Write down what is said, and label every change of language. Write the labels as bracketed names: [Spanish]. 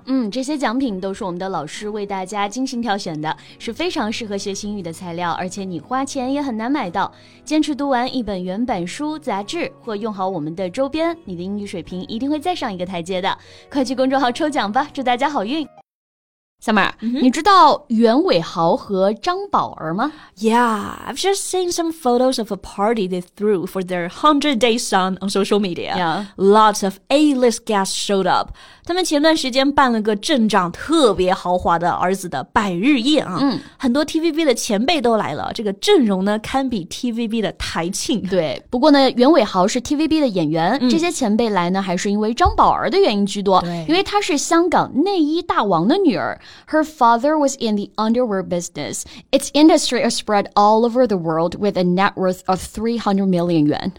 [Chinese] 嗯，这些奖品都是我们的老师为大家精心挑选的，是非常适合学习英语的材料，而且你花钱也很难买到。坚持读完一本原版书、杂志或用好我们的周边，你的英语水平一定会再上一个台阶的。快去公众号抽奖吧，祝大家好运。Summer,、mm-hmm. 你知道袁伟豪和张宝儿吗? [English] Yeah, I've just seen some photos of a party they threw for their 100-day son on social media. Yeah. Lots of A-list guests showed up. [Chinese] 他们前段时间办了个阵仗特别豪华的儿子的百日宴啊。嗯、很多 TVB 的前辈都来了，这个阵容呢堪比 TVB 的台庆。对，不过呢袁伟豪是 TVB 的演员、嗯、这些前辈来呢还是因为张宝儿的原因居多。对，因为她是香港内衣大王的女儿。 [English] Her father was in the underwear business. Its industry is spread all over the world with a net worth of 300 million yuan.